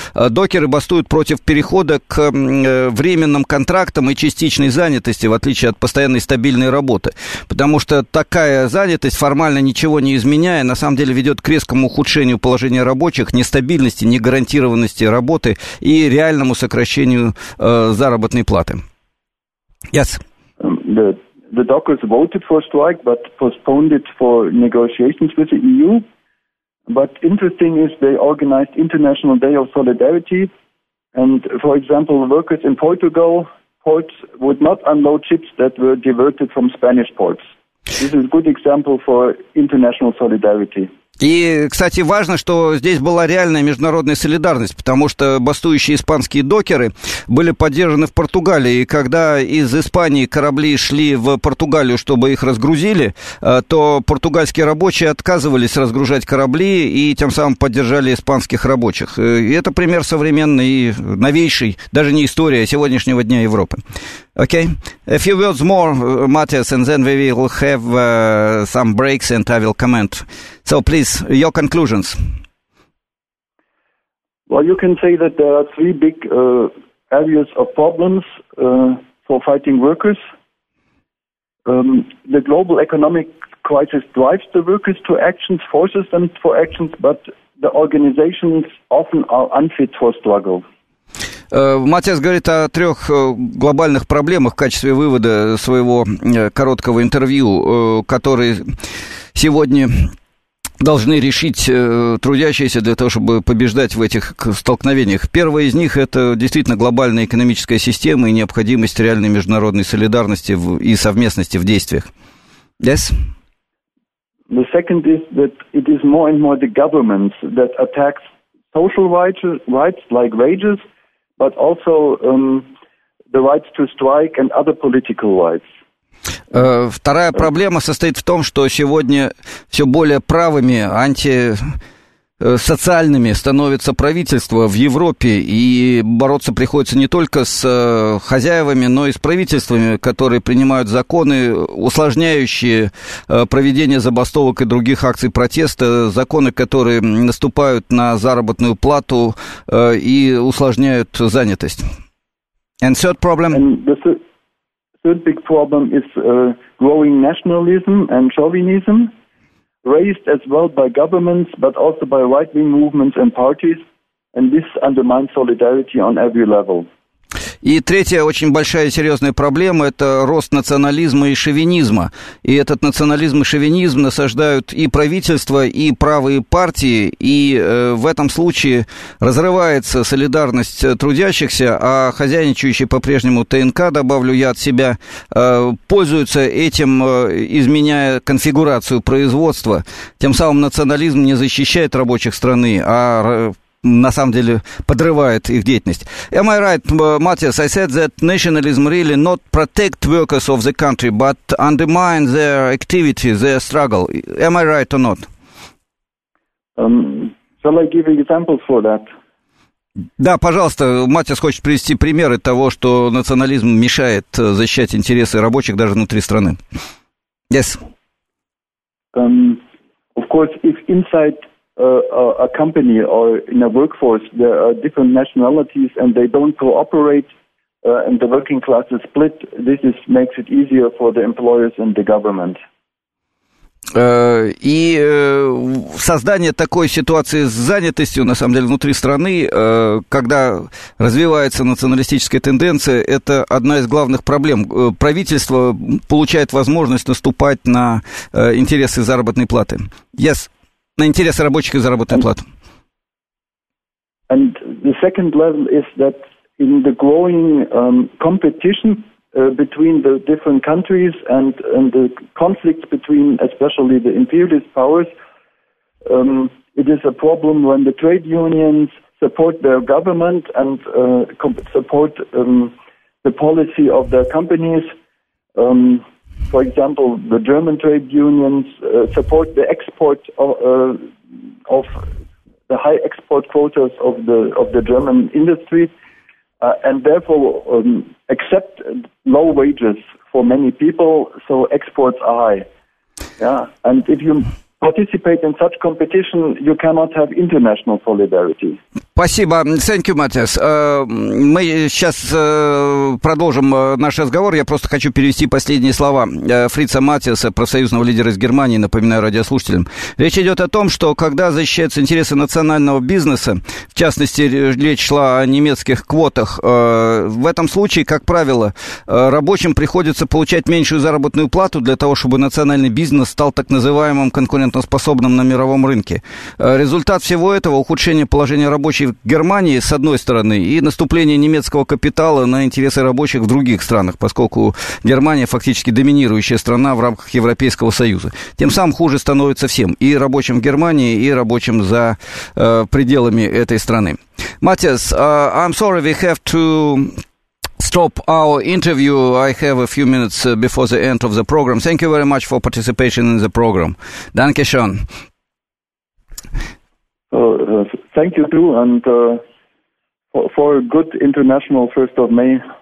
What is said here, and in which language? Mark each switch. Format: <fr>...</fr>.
<ru>Докеры бастуют против перехода к временным контрактам и частичной занятости, в отличие от постоянной стабильной работы. Потому что такая занятость формально ничего не изменяя, на самом деле ведет к резкому ухудшению положения рабочих, нестабильности, негарантированности работы и реальному сокращению заработной платы.</ru> <en>Yes. The dockers voted for strike, but postponed it for negotiations with the EU. But interesting is they organized International Day of Solidarity. And, for example, workers in Portugal, ports would not unload ships that were diverted from Spanish ports. This is a good example for international solidarity.</en> <ru>И, кстати, важно, что здесь была реальная международная солидарность, потому что бастующие испанские докеры были поддержаны в Португалии. И когда из Испании корабли шли в Португалию, чтобы их разгрузили, то португальские рабочие отказывались разгружать корабли и тем самым поддержали испанских рабочих. И это пример современной и новейшей, даже не истории, а сегодняшнего дня Европы.</ru> <en>Okay. A few words more, Matthias, and then we will have some breaks and I will comment. So please, your conclusions. Well, you can say that there are three big areas of problems for fighting workers. The global economic crisis drives the workers to actions, forces them for actions, but the organizations often are unfit for struggle.</en> <ru>Матиас говорит о трех глобальных проблемах в качестве вывода своего короткого интервью, которые сегодня должны решить трудящиеся для того, чтобы побеждать в этих столкновениях. Первое из них – это действительно глобальная экономическая система и необходимость реальной международной солидарности и совместности в действиях.</ru> <en>Yes? The second is that it is more and more the governments that attacks social rights like wages, but also the rights to strike and other political rights.</en> <ru>Вторая проблема состоит в том, что сегодня все более правыми, антисоциальными становится правительство в Европе, и бороться приходится не только с хозяевами, но и с правительствами, которые принимают законы, усложняющие проведение забастовок и других акций протеста, законы, которые наступают на заработную плату и усложняют занятость.</ru> <en>And third problem? Third big problem is growing nationalism and chauvinism, raised as well by governments, but also by right-wing movements and parties, and this undermines solidarity on every level.</en> <ru>И третья очень большая и серьезная проблема – это рост национализма и шовинизма. И этот национализм и шовинизм насаждают и правительство, и правые партии, и в этом случае разрывается солидарность трудящихся, а хозяйничающие по-прежнему ТНК, добавлю я от себя, пользуются этим, изменяя конфигурацию производства. Тем самым национализм не защищает рабочих страны, а на самом деле подрывает их деятельность.</ru> <en>Am I right, Matthias? I said that nationalism really not protect workers of the country, but undermine their activity, their struggle. Am I right or not? Shall I give examples for that?</en> <ru>Да, пожалуйста, Матиас хочет привести примеры того, что национализм мешает защищать интересы рабочих даже внутри страны.</ru> <en>Yes. Of course, if inside a company or in a workforce, there are different nationalities and they don't cooperate and the working class is split, this is makes it easier for the employers and the government.</en> <ru>И создание такой ситуации с занятостью, на самом деле, внутри страны, когда развивается националистическая тенденция, это одна из главных проблем. Правительство получает возможность наступать на интересы заработной платы.</ru> <en>Yes.</en> <ru>На интересы рабочих и заработную плату.</ru> <en>And the second level is that in the growing competition between the different countries and the conflicts between especially the imperialist powers. It is a problem when the trade unions support their government and support the policy of their companies. For example, the German trade unions support the export of the high export quotas of the German industry, and therefore accept low wages for many people, so exports are high. Yeah, and if you participate in such competition, you cannot have international solidarity.</en> <ru>Спасибо.</ru> <en>Thank you, Matthias.</en> <ru>Мы сейчас продолжим наш разговор. Я просто хочу перевести последние слова Фрица Матиаса, профсоюзного лидера из Германии, напоминаю радиослушателям. Речь идет о том, что когда защищаются интересы национального бизнеса, в частности, речь шла о немецких квотах, в этом случае, как правило, рабочим приходится получать меньшую заработную плату для того, чтобы национальный бизнес стал так называемым конкурентоспособным на мировом рынке. Результат всего этого – ухудшение положения рабочих в Германии, с одной стороны, и наступление немецкого капитала на интересы рабочих в других странах, поскольку Германия фактически доминирующая страна в рамках Европейского Союза. Тем самым хуже становится всем, и рабочим в Германии, и рабочим за пределами этой страны.</ru> <en>Matthias, I'm sorry we have to stop our interview. I have a few minutes before the end of the program. Thank you very much for participation in the program.</en> <de>Danke schön.</de> <en>Thank you too, and for a good international 1st of May.</en>